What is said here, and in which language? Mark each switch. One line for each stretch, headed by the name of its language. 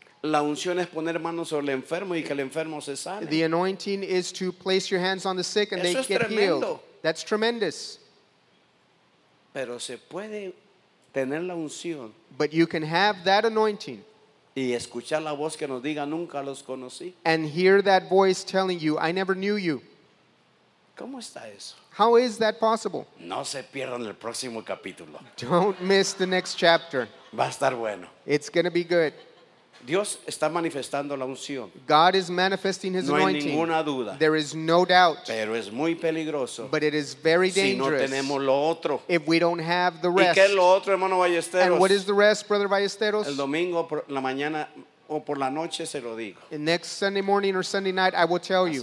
Spanish: La unción es poner manos sobre el enfermo y que el enfermo se sane.
English: The anointing is to place your hands on the sick and
Spanish: eso
English: they get
Spanish: tremendo.
English: Healed. That's tremendous.
Spanish: Pero se puede tener la unción.
English: But you can have that anointing.
Spanish: Y escuchar la voz que nos diga, nunca los conocí.
English: And hear that voice telling you, I never knew you.
Spanish: ¿Cómo está eso?
English: How is that possible?
Spanish: No se pierdan el próximo capítulo.
English: Don't miss the next chapter.
Spanish: Va a estar bueno.
English: It's going to be good.
Spanish: Dios está manifestando la unción.
English: God is manifesting his anointing.
Spanish: No hay ninguna duda.
English: There is no doubt.
Spanish: Pero es muy peligroso.
English: But it is very dangerous.
Spanish: Si no tenemos lo otro.
English: If we don't have the rest.
Spanish: ¿Y qué es lo otro, hermano Ballesteros?
English: And what is the rest, brother Ballesteros?
Spanish: El domingo por la mañana o por la noche se lo digo.
English: And next Sunday morning or Sunday night I will tell you.